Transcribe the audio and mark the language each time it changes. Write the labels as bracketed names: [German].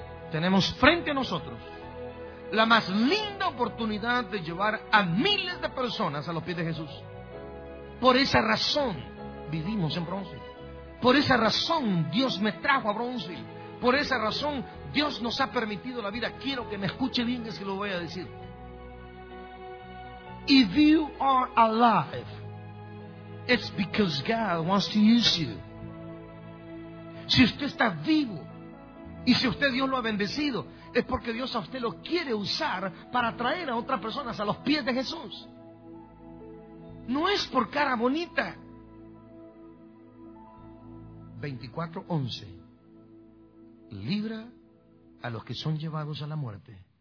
[Spanish] Tenemos frente a nosotros la más linda oportunidad de llevar a miles de personas a los pies de Jesús. Por esa razón vivimos en bronce. Por esa razón Dios me trajo a Bronzeville. Por esa razón Dios nos ha permitido la vida. Quiero que me escuche bien, es que lo voy a decir. [English] If you are alive, it's because God wants to use you. [Spanish] Si usted está vivo y si usted Dios lo ha bendecido, es porque Dios a usted lo quiere usar para traer a otras personas a los pies de Jesús. No es por cara bonita. 24:11. Libra a los que son llevados a la muerte.